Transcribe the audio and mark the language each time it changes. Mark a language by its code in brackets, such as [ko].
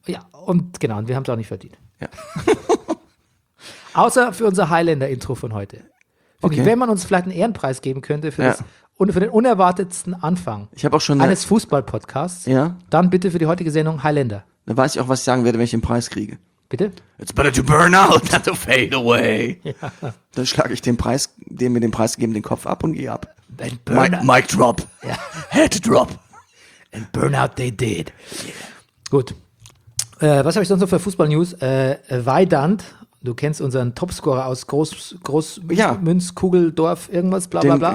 [de] Ja, und genau, und wir haben es auch nicht verdient. Ja. Außer für unser Highlander-Intro von heute. Okay. Wenn man uns vielleicht einen Ehrenpreis geben könnte für den unerwartetsten Anfang eines Fußball-Podcasts, dann bitte für die heutige Sendung Highlander. Dann weiß ich auch, was ich sagen werde, wenn ich den Preis kriege. Bitte? [en] It's better to burn out than to fade away. [de] Ja. Dann schlage ich dem mir den Preis geben, den Kopf ab und gehe ab. [en] And burn Mic drop. [de] Ja. [en] Head drop. And burn out they did. [de] Gut. Was habe ich sonst noch für Fußball-News? Weidand. Du kennst unseren Topscorer aus Großmünzkugeldorf, irgendwas, bla bla bla.